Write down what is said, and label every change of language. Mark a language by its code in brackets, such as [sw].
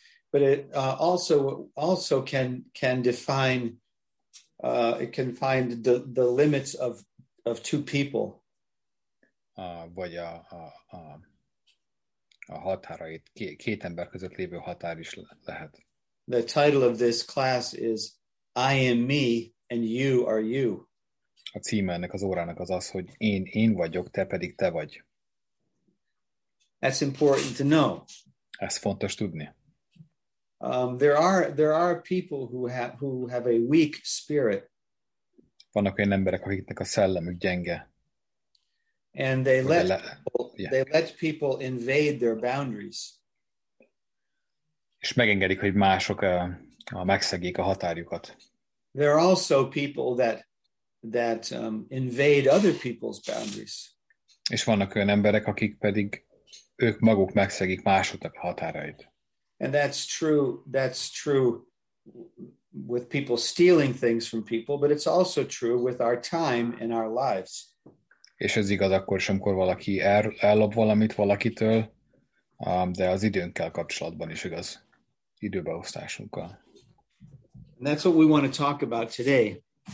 [en] But it also can define it can find the limits of two people. [hu] Vagy a határait, két ember között lévő határ is lehet. [en] The title of this class is I am me and you are you. [hu] A címe ennek az órának az az, hogy én vagyok, te pedig te vagy. [en] That's important to know. [hu] Ez fontos tudni. [en] There are people who have a weak spirit. [hu] Vannak olyan emberek, akiknek a szellemük gyenge. [en] And they let people invade their boundaries. [hu] És megengedik, hogy mások megszegjék a határjukat. [en] There are also people that invade other people's boundaries. [hu] És vannak olyan emberek, akik pedig ők maguk megszegik másoknak határait. [en] And that's true with people stealing things from people, but it's also true with our time and our lives. [hu] És ez igaz akkor sem, amikor valaki ellop valamit valakitől, de az időnkkel kapcsolatban is igaz, időbeosztásunkkal. [en] And that's what we want to talk about today.